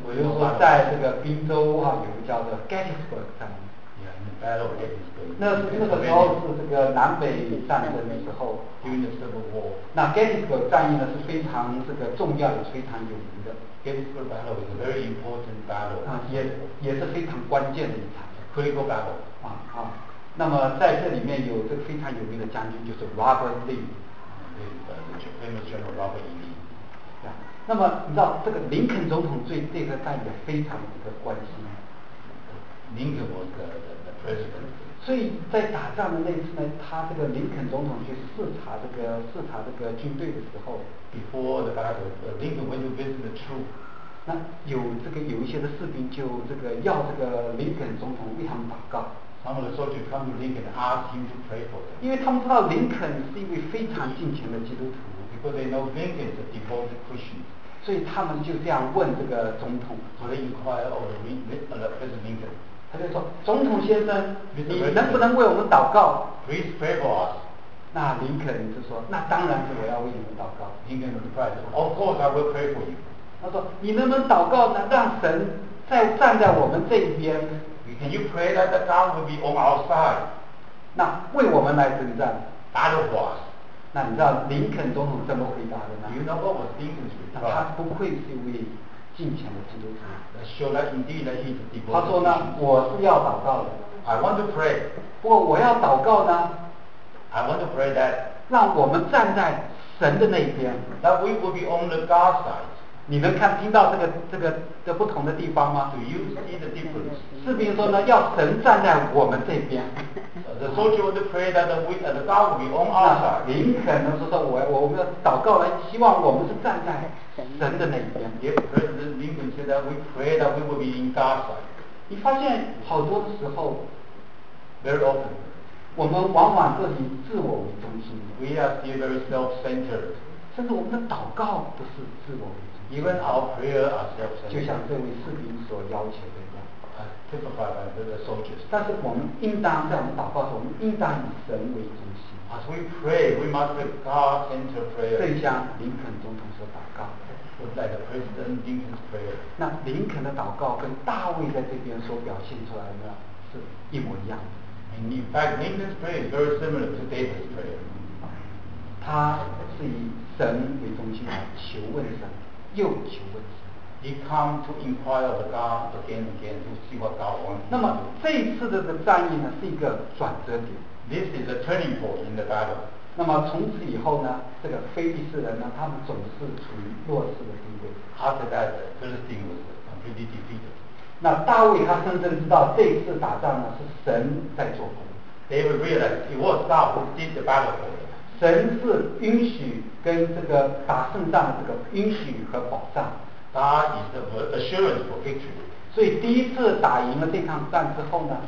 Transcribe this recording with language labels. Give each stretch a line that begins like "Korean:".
Chinese: 比如说在这个宾州哈、啊，有个叫做 Gettysburg 战役。
English: Yeah, the battle of Gettysburg。
Chinese: 那个时候是这个南北战争的时候。
English: During the Civil War。
Chinese: 那 Gettysburg 战役呢是非常这个重要的，非常有名的。
English: Gettysburg battle is a very important battle。
Chinese: 啊，也是非常关键的一场。
English: Critical battle。
Chinese: 啊，那么在这里面有这个非常有名的将军，就是 Robert Lee。
English: The famous general Robert Lee。
Chinese: 那么你知道这个林肯总统对这个战役非常的这个关心。
English: Lincoln was the president。
Chinese: 所以在打仗的那次呢，他这个林肯总统去视察这个军队的时候。
English: Before the battle, Lincoln went to visit the troops。
Chinese: 那有一些的士兵就这个要这个林肯总统为他们祷告。
English: Some of the soldiers come to Lincoln and ask him to pray for them。
Chinese: 因为他们知道林肯是一位非常敬虔的基督徒。
English: Because they know Lincoln is a devout Christian。
Chinese: 所以他们就这样问这个总统。
English: So they inquire of President Lincoln。
Chinese: 他就说：“总统先生，你能不能为我们祷告
English: ？”Please pray for us。
Chinese: 那林肯就说：“那当然是我要为你们祷告。
English: ”Lincoln replied, "Of course, I will pray for you."
Chinese: 他说：“你能不能祷告呢？让神再站在我们这一边。
English: ”Can you pray that the God will be on our side？
Chinese: 那为我们来征战。
English: Battle for us。
Chinese: 那你知道林肯总统怎么回答的呢
English: ？You know what was Lincoln's reply？
Chinese: 他不愧是一位敬虔的基督徒。
English: Show that indeed that he is devoted。
Chinese: 他说呢：“我是要祷告的。
English: ”I want to pray。
Chinese: 不过我要祷告呢
English: ？I want to pray that
Chinese: 让我们站在神的那一边。
English: That we will be on the God's side。
Chinese: 你能看听到这不同的地方吗？
English: Do you see the difference?
Chinese: 士兵说呢，要神站在我们这边。
English: The soldier would pray that the God will be on our side.
Chinese: 林肯呢说我们要祷告来，希望我们是站在神的那一边。
English: Yeah, President Lincoln said that we pray that we will be in God's side.
Chinese: 你发现好多的时候
English: ，very often，
Chinese: 我们往往都以自我为中心。
English: We are still very self-centered.
Chinese: 甚至我们的祷告都是自我为中心。
English: Even our prayer are self-centered.
Chinese: 就像这位士兵所要求的一样。
English: Typified by the soldiers.
Chinese: 但是我们应当在我们祷告的时候，我们应当以神为中心。
English: As we pray, we must be God-centered prayer.
Chinese: 正像林肯总统所祷告的。
English: Just like the President Lincoln's prayer.
Chinese: 那林肯的祷告跟大卫在这边所表现出来的是一模一样的。
English: And in fact, Lincoln's prayer is very similar to David's prayer.
Chinese: 他是以神为中心来求问神。又求问神。
English: He come to inquire of God again and again to see what God wants.
Chinese: 那么这一次的这个战役呢，是一个转折点。
English: This is a turning point in the battle.
Chinese: 那么从此以后呢，这个非利士人呢，他们总是处于弱势的地位。
English: After that, the Philistine was completely defeated.
Chinese: 那大卫他深深知道这一次打仗呢是神在做工。
English: David realized it was God who did the battle for him.
Chinese: 神是允许跟这个打胜仗的这个允许和保障。
English: God is the assurance for victory.
Chinese: 所以第一次打赢了这场仗之后呢